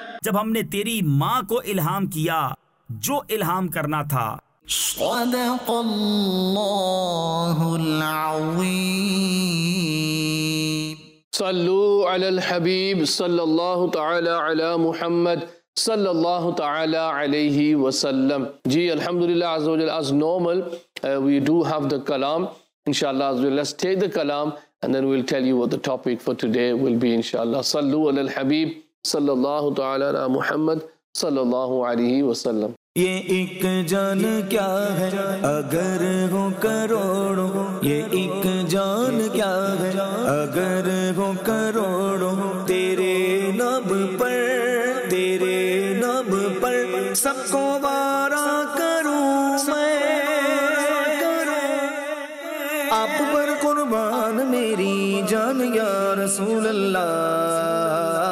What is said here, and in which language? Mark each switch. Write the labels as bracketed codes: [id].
[ur] جب ہم نے تیری ماں کو الہام کیا جو الہام کرنا تھا. [ar] صدق اللہ العظیم. صلو علی الحبیب صلی اللہ تعالی علی محمد صلی اللہ تعالی علیہ وسلم. [en] جی الحمدللہ عزوجل, as normal we do have the kalam. Inshallah عزوجل, let's take the kalam and then we'll tell you what the topic for today will be inshallah. [ar] صلو علی الحبیب صلی اللہ تعالی علی محمد صلی اللہ علیہ وسلم. [ur] یہ ایک جان کیا ہے اگر ہو کروڑوں, یہ ایک جان کیا ہے اگر ہو کروڑوں, تیرے نب پر تیرے نب پر سب کو وارا کروں میں, آپ پر قربان میری جان یا رسول اللہ,